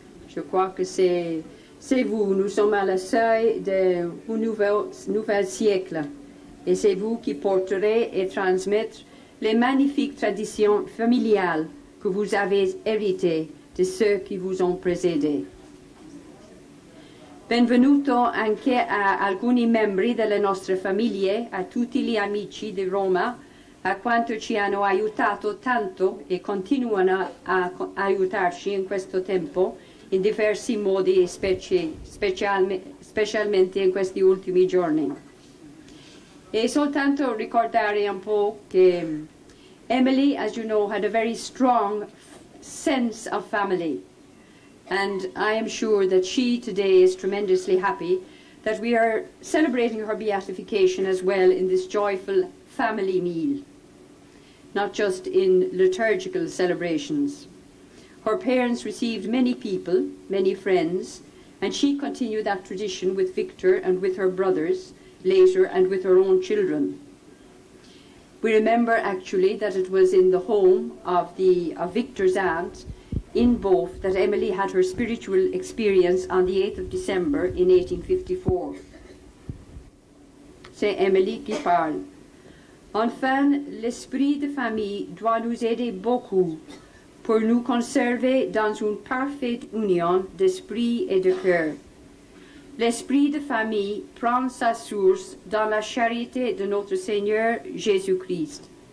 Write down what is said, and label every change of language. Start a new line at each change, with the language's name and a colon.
French: Je crois que c'est vous, nous sommes à la seuil d'un nouvel siècle. Et c'est vous qui porterez et transmettrez les magnifiques traditions familiales que vous avez héritées de ceux qui vous ont précédés.
Italian: Benvenuto anche a alcuni membri delle nostre famiglie, a tutti gli amici di Roma, a quanto ci hanno aiutato tanto e continuano a aiutarci in questo tempo in diversi modi, specialmente in questi ultimi giorni. E soltanto ricordare un po' che
English: Emily, as you know, had a very strong sense of family. And I am sure that she today is tremendously happy that we are celebrating her beatification as well in this joyful family meal, not just in liturgical celebrations. Her parents received many people, many friends, and she continued that tradition with Victor and with her brothers later and with her own children. We remember actually that it was in the home of Victor's aunt in Boff that Emily had her spiritual experience on the 8th of December in 1854.
French: C'est Emily qui parle. Enfin, l'esprit de famille doit nous aider beaucoup pour nous conserver dans une parfaite union d'esprit et de cœur. L'esprit de famille prend sa source dans la charité de notre Seigneur Jésus-Christ.